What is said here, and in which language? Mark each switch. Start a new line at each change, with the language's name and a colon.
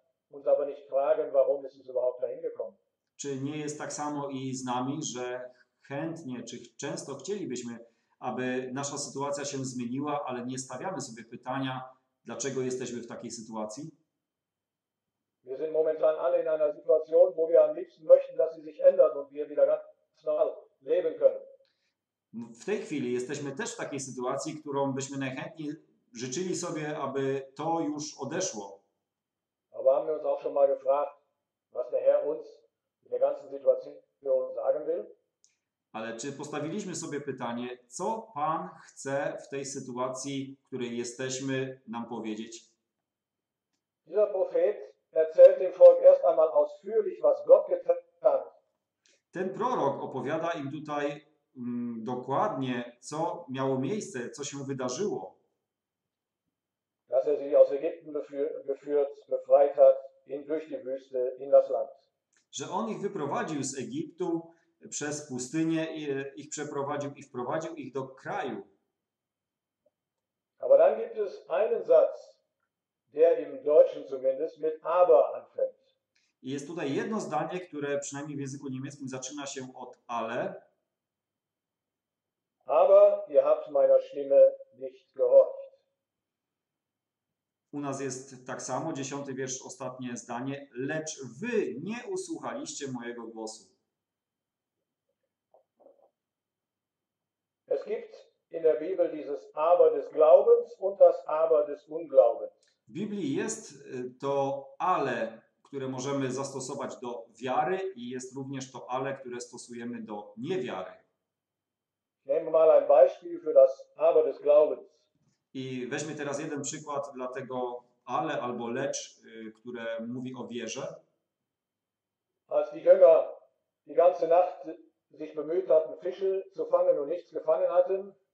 German: Uns aber nicht fragen, warum ist es überhaupt dahin gekommen.
Polish: Czy nie jest tak samo i z nami, że chętnie, czy często chcielibyśmy, aby nasza sytuacja się zmieniła, ale nie stawiamy sobie pytania, dlaczego jesteśmy w takiej sytuacji?
German: Wir sind momentan alle in einer Situation, wo wir am liebsten möchten, dass sie sich ändert und wir wieder ganz normal leben können.
Polish: W tej chwili jesteśmy też w takiej sytuacji, którą byśmy najchętniej życzyli sobie, aby to już odeszło.
German: Aber haben wir uns auch schon mal gefragt, was der Herr uns in der ganzen Situation sagen will?
Polish: Ale czy postawiliśmy sobie pytanie, co Pan chce w tej sytuacji, w której jesteśmy, nam powiedzieć?
German: Dieser Prophet erzählt dem Volk erst einmal ausführlich, was Gott getan hat.
Polish: Ten prorok opowiada im tutaj dokładnie, co miało miejsce, co się wydarzyło.
German: Dass er sie aus Ägypten geführt, befreit hat, ihn durch die Wüste in das Land.
Polish: Że on ich wyprowadził z Egiptu przez pustynię, ich przeprowadził i wprowadził ich do kraju.
German: Aber dann gibt es einen Satz, der im Deutschen zumindest mit aber anfängt.
Polish: I jest tutaj jedno zdanie, które przynajmniej w języku niemieckim zaczyna się od ale.
German: Aber ihr habt meiner Stimme nicht gehorcht.
Polish: U nas jest tak samo, 10. wiersz, ostatnie zdanie. Lecz wy nie usłuchaliście mojego głosu.
German: Es gibt in der Bibel dieses aber des Glaubens und das aber des Unglaubens.
Polish: W Biblii jest to ale, które możemy zastosować do wiary i jest również to ale, które stosujemy do niewiary.
German: Nehmen mal ein Beispiel für das aber des Glaubens.
Polish: I weźmy teraz jeden przykład dla tego ale albo lecz, które mówi o wierze.
German: Als die Jünger die ganze Nacht sich bemüht hatten, Fische zu fangen und nichts gefangen hatten.